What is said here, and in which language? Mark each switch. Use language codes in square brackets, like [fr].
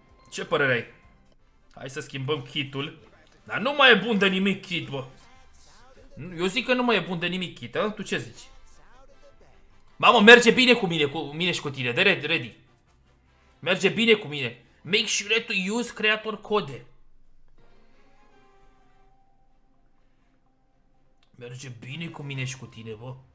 [ro] Ce părere ai? Hai să schimbăm kit-ul. Dar nu mai e bun de nimic kit, bă. Eu zic că nu mai e bun de nimic kit, a? Tu ce zici? Mamă, merge bine cu mine, cu mine și cu tine. De ready. Merge bine cu mine. [en] Make sure to use creator code. [ro] Merge bine cu mine și cu tine, bă.